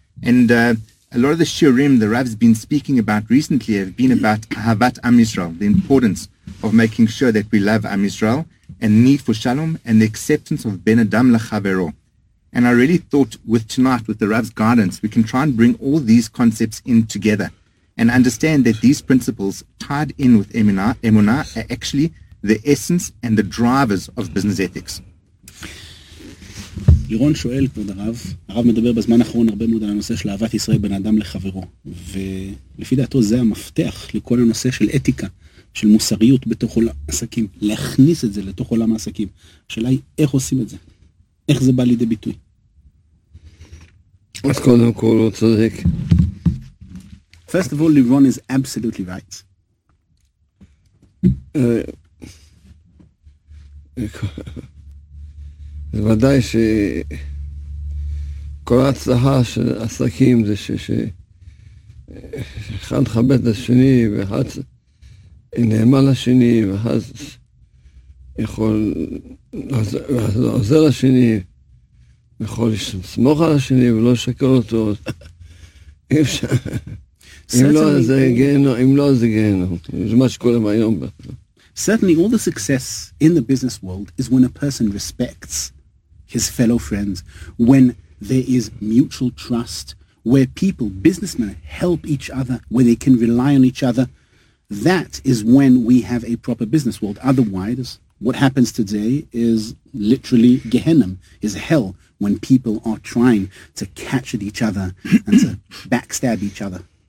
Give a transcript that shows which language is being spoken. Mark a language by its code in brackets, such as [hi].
[en] And a lot of the shiurim the Rav's been speaking about recently have been about Ahavat Am Yisrael, the importance of making sure that we love Am Yisrael and need for Shalom and the acceptance of Ben Adam L'Chavero. And I really thought with tonight, with the Rav's guidance, we can try and bring all these concepts in together and understand that these principles tied in with Emuna are actually the essence and the drivers of business ethics. [he] לירון שואל, כבוד הרב, הרב מדבר בזמן האחרון הרבה מאוד על הנושא של אהבת ישראל בין אדם לחברו, ולפי דעתו זה המפתח לכל הנושא של אתיקה, של מוסריות בתוך עולם העסקים, להכניס את זה לתוך עולם העסקים. השאלה היא, איך עושים את זה? איך זה בא לידי ביטוי? אז קודם כל הוא צודק. [en] First of all, לירון is absolutely right. [he] ודאי שכל ההצלחה של עסקים זה שאחד מכבד לשני ואחד נאמן לשני ואחד יכול לעזור לשני ויכול לסמוך על השני ולא לשקר אותו אי אפשר אם לא זה גיהנום זה מה שקוראים היום [en] Certainly all the success in the business world is when a person respects his fellow friends, when there is mutual trust, where people, businessmen, help each other, where they can rely on each other. That is when we have a proper business world. Otherwise, what happens today is literally Gehenim, is hell, when people are trying to catch at each other and to backstab each other.